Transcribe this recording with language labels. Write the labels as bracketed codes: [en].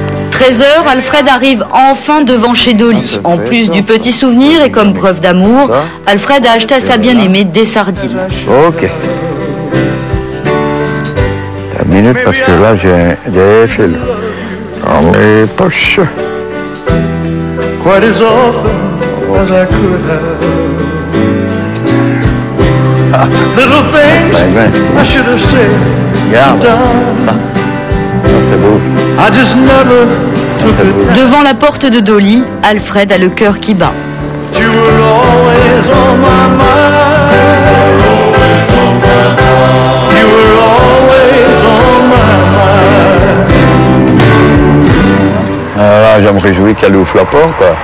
[fr] 13h, Alfred arrive enfin devant chez Dolly. En plus du petit souvenir et comme preuve d'amour, Alfred a acheté à sa bien-aimée des sardines. Ok. Une minute, parce que là, j'ai des fils dans mes poches. [en] Quite as often as I could have. Little things I should have said and done. I just never took it. [fr] Devant la porte de Dolly, Alfred a le cœur qui bat. [en] You were always on my mind. You were always on my mind. [fr] Alors là, je me réjouis qu'elle ouvre la porte.